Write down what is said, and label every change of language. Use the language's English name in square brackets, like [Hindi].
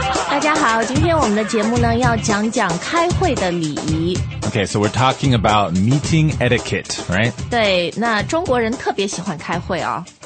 [Chinese] 大家好，今天我们的节目呢要讲讲开会的礼仪。 [English] Okay, so we're talking about meeting etiquette, right? [Chinese] 对，那中国人特别喜欢开会哦。